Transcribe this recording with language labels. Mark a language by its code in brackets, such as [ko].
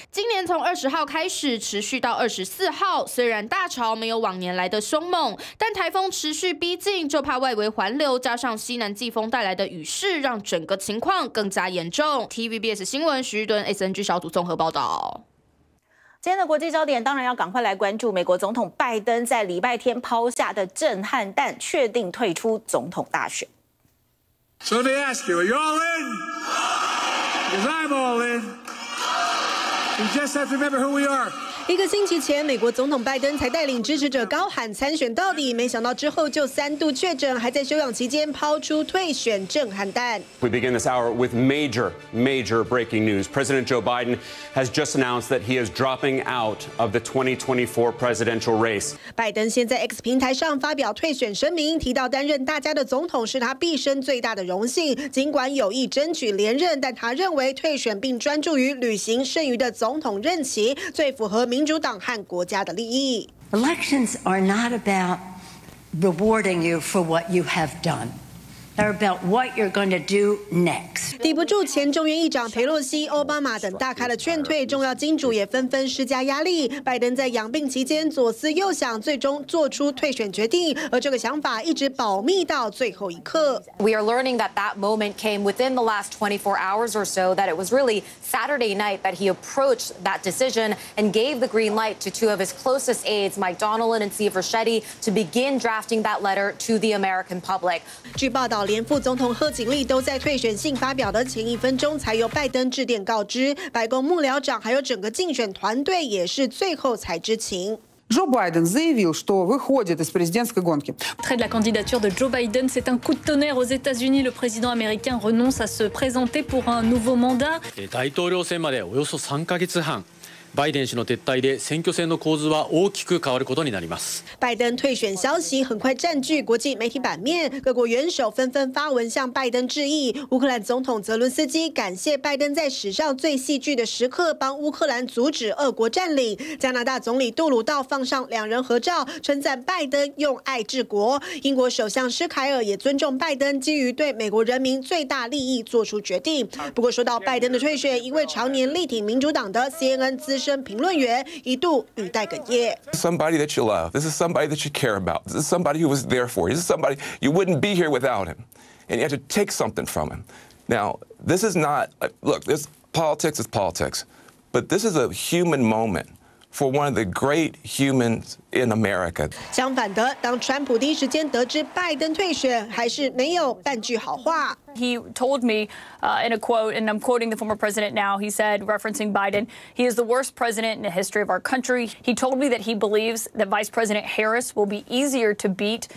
[zh] 今年从20号开始持续到24号，虽然大潮没有往年来的凶猛，但台风持续逼近，就怕外围环流加上西南季风带来的雨势，让整个情况更加严重。 TVBS 新闻徐玉敦 SNG 小组综合报道。今天的国际焦点当然要赶快来关注美国总统拜登在礼拜天抛下的震撼弹，确定退出总统大选。 [en] So they ask you, are you all in? Because I'm all in. You just have to remember who we are. [zh] 一个星期前，美国总统拜登才带领支持者高喊参选到底，没想到之后就3度确诊，还在休养期间抛出退选震撼弹。 [en] We begin this hour with major breaking news. President Joe Biden has just announced that he is dropping out of the 2024 presidential race. [zh] 拜登先在 X 平台上发表退选声明，提到担任大家的总统是他毕生最大的荣幸。尽管有意争取连任，但他认为退选并专注于履行剩余的总统任期，最符合民主党和国家的利益。 [en] Elections are not about rewarding you for what you have done. They're about what you're going to do next. [zh] 抵不住前众院议长佩洛西、奥巴马等大咖的劝退，重要金主也纷纷施加压力。拜登在养病期间左思右想，最终做出退选决定，而这个想法一直保密到最后一刻。 [en] We are learning that that moment came within the last 24 hours or so. That it was really Saturday night that he approached that decision and gave the green light to two of his closest aides, Mike Donilon and Steve Ricchetti, to begin drafting that letter to the American public. [zh] 据报道。连副总统贺锦丽都在退选信发表的前一分钟才由拜登致电告知，白宫幕僚长还有整个竞选团队也是最后才知情。 [ru] Джо Байден заявил, что выходит из президентской гонки. [fr] Trait de la candidature de Joe Biden, c'est un coup de tonnerre aux États-Unis. Le président américain renonce à se présenter pour un nouveau mandat. [ja] 大統領選までおよそ3ヶ月半。拜登氏の撤退で選挙戦の構図は大きく変わることになります。 [zh] 拜登退选消息很快占据国际媒体版面，各国元首纷纷发文向拜登致意。乌克兰总统泽伦斯基感谢拜登在史上最戏剧的时刻帮乌克兰阻止俄国占领。加拿大总理杜鲁道放上两人合照，称赞拜登用爱治国。英国首相施凯尔也尊重拜登基于对美国人民最大利益做出决定。不过说到拜登的退选，一位常年力挺民主党的 CNN 资深评论员一度语带哽咽。 [en] Somebody that you love, this is somebody that you care about, this is somebody who was there for you, this is somebody you wouldn't be here without him, and you had to take something from him. Now, this is not, look, this politics is politics, but this is a human moment for one of the great humans in America. [zh] 相反的，当川普第一时间得知拜登退选，还是没有半句好话。 [en] He told me, in a quote, and I'm quoting the former president now, he said, referencing Biden, he is the worst president in the history of our country. He told me that he believes that Vice President Harris will be easier to beat.